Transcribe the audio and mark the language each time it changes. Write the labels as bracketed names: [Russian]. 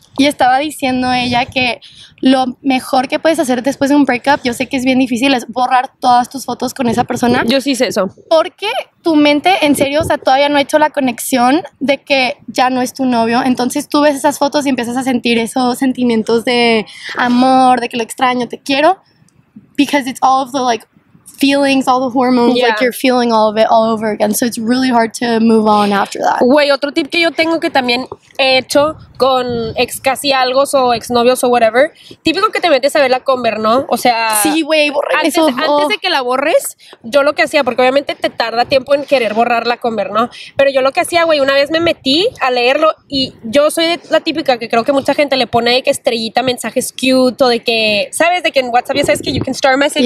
[Spanish] Y estaba diciendo ella que lo mejor que puedes hacer después de un breakup, yo sé que es bien difícil, es borrar todas tus fotos con esa persona. Yo sí hice eso. Porque tu mente, en serio, o sea, todavía no ha hecho la conexión de que ya no es tu novio. Entonces tú ves esas fotos y empiezas a sentir esos sentimientos de amor, de que lo extraño, te quiero. [English] Because it's all of the, like, feelings, all the hormones, yeah. Like you're feeling all of it all over again. So it's really hard to move on after that. [Spanish] Güey, otro tip que yo tengo que también he hecho con ex casi algo o ex novios o whatever. Típico que te metes a ver la conver, ¿no? O sea, sí, güey, borra eso. Antes de que la borres, yo lo que hacía, porque obviamente te tarda tiempo en querer borrar la conver, ¿no? Pero yo lo que hacía, güey, una vez me metí a leerlo y yo soy de la típica que creo que mucha gente le pone de que estrellita mensajes cute o de que, ¿sabes? De que en WhatsApp ya sabes que [English] you can star message.